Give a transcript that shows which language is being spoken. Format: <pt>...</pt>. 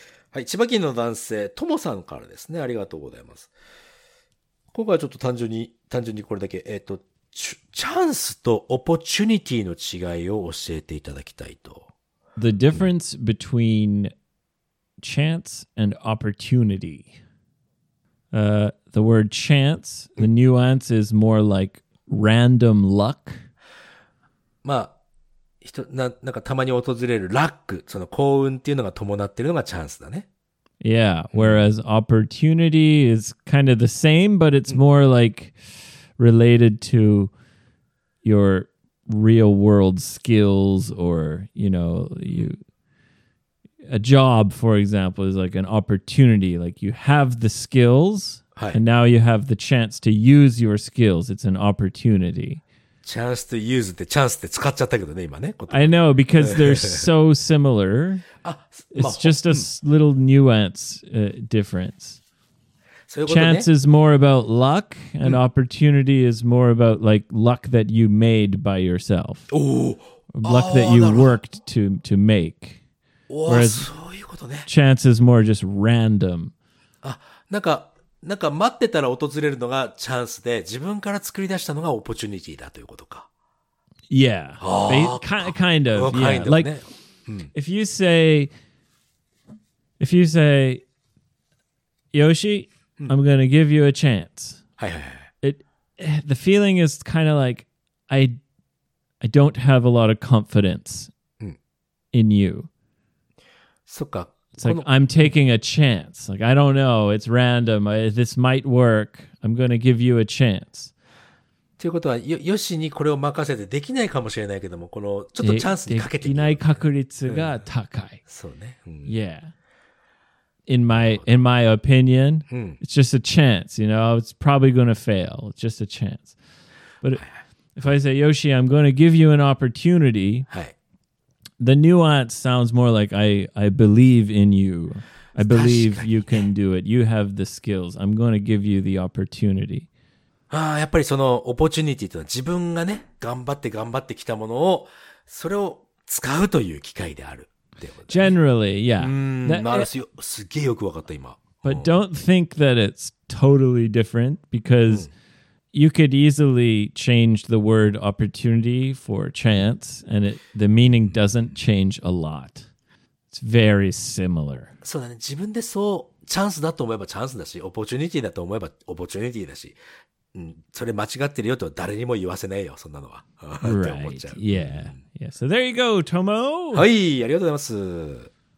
<ja>はい、千葉県の男性、ともさんからですね。ありがとうございます。今回はちょっと単純にこれだけ、チャンスとオポチュニティの違いを教えていただきたいと。</ja> <en>The difference between chance and opportunity. The word chance, the nuance is more like random luck.</en> <ja>まあ、なんかたまに訪れるラック、その幸運っていうのが伴っているのがチャンスだね。</ja> <en>Yeah, whereas opportunity is kind of the same, but it's more like related to your real world skills or, you know, a job, for example, is like an opportunity. Like you have the skills、</en> <ja>はい、</ja> <en>and now you have the chance to use your skills. It's an opportunity. Chance to use</en> <ja>ってチャンスって使っちゃったけどね、今ね。</ja> <en>I know, because they're so similar. It's just a little nuance、difference.</en> <ja>そういうこと</ja> <en>ね、Chance is more about luck, and opportunity is more about like luck that you made by yourself. Luck that you worked to make. Whereas</en> <ja>そういうことね。</ja> <en>Chance is more just random.</en> <ja>なんか待ってたら訪れるのがチャンスで、自分から作り出したのがオポチュニティだということか。</ja> <en>Yeah. Kind of. Yeah. Kind of like,、</en> <ja>ね、</ja> <en>if you say, Yoshi,I'm going to give you a chance. The feeling is kind of like, I don't have a lot of confidence in you.</en> <ja>そっか。</ja> <en>It's like, I'm taking a chance. Like, I don't know. It's random. This might work. I'm going to give you a chance.</en> <ja>ということは、ヨシにこれを任せてできないかもしれないけども、このちょっとチャンスにかけてみる。できない確率が高い。うん、そうね。うん、</ja> <en>yeah. In my opinion,、うん、it's just a chance, you know. It's probably going to fail. It's just a chance. But if I say, Yoshi, I'm going to give you an opportunity,、</en> <ja>はい、</ja> <en>the nuance sounds more like I believe in you. I believe you can do it. You have the skills. I'm going to give you the opportunity.</en> <ja>ああ、やっぱりそのオポチュニティというのは自分がね、頑張ってきたものをそれを使うという機会である。</ja> <en>Generally, yeah.</en> <ja>すげえよくわかった今。</ja> <en>But don't think that it's totally different because you could easily change the word opportunity for chance and the meaning doesn't change a lot. It's very similar.</en> <ja>そうだね。自分でそうチャンスだと思えばチャンスだし、オポチュニティだと思えばオポチュニティだし、それ間違ってるよと誰にも言わせないよそんなのは。</ja> <en>Right. Yeah. Yeah, so there you go, Tomo.</en> <ja>はい、ありがとうございます。</ja>